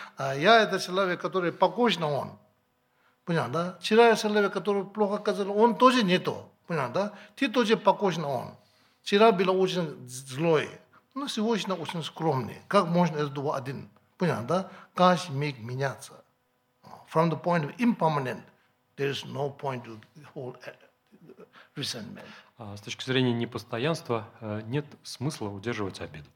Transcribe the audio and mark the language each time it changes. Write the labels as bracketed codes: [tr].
[ru] А я это человек, который покойно он, понял, да? Вчера я человек, который плохо оказал, он тоже нету, понял, да? Ты тоже покойно он. Вчера был очень злой, но сегодня очень скромный. Как можно это два один, понял, да? Каждый миг меняться. [en] From the point of impermanent, there is no point to hold resentment. [ru] С точки зрения непостоянства нет смысла удерживать обиду.